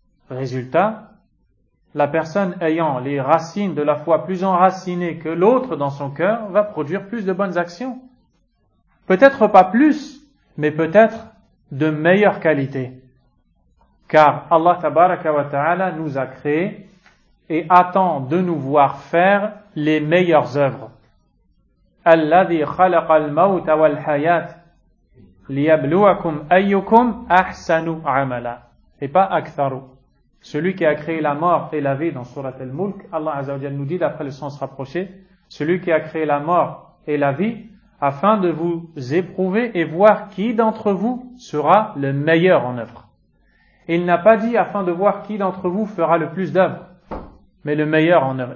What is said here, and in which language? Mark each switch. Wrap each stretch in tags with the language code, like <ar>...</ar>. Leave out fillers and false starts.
<fr>Résultat, la personne ayant les racines de la foi plus enracinées que l'autre dans son cœur va produire plus de bonnes actions. Peut-être pas plus, mais peut-être de meilleure qualité. Car Allah tabaraka wa ta'ala nous a créés et attend de nous voir faire les meilleures œuvres.</fr> <ar>الذي خلق الموت والحياة ليبلوكم أيكم أحسن عملا</ar> <fr>et pas</fr> <ar>أكثر.</ar> <fr>Celui qui a créé la mort et la vie dans Surat Al-Mulk, Allah Azza wa Jalla nous dit d'après le sens rapproché, celui qui a créé la mort et la vie afin de vous éprouver et voir qui d'entre vous sera le meilleur en œuvre. Il n'a pas dit afin de voir qui d'entre vous fera le plus d'œuvres, mais le meilleur en œuvre.</fr>